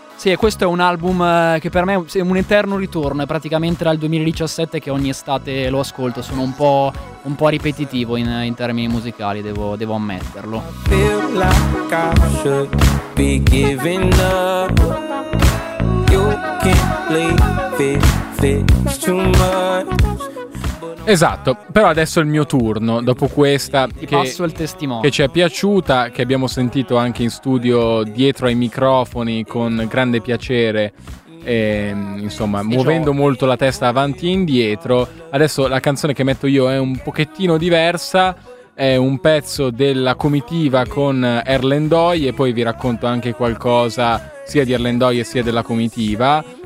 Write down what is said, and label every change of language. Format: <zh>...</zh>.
<it>Sì, questo è un album che per me è un eterno ritorno, è praticamente dal 2017 che ogni estate lo ascolto, sono un po' ripetitivo in termini musicali, devo ammetterlo.</it> <en>I feel like I should be giving up. You can't leave it, it's too much.</en> <it>Esatto, però adesso è il mio turno, dopo questa passo il testimone. Che ci è piaciuta, che abbiamo sentito anche in studio dietro ai microfoni con grande piacere, insomma, muovendo molto la testa avanti e indietro. Adesso la canzone che metto io è un pochettino diversa, è un pezzo della comitiva con Erlen Doy e poi vi racconto anche qualcosa sia di Erlen Doy sia della comitiva.</it>